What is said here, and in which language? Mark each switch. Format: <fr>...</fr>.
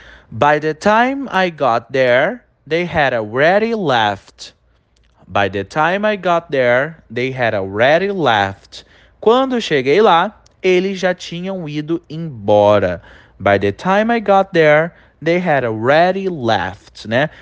<en>By the time I got there, they had already left. By the time I got there, they had already left.</en> <pt>Quando cheguei lá, eles já tinham ido embora.</pt> <en>By the time I got there, they had already left, né?</en>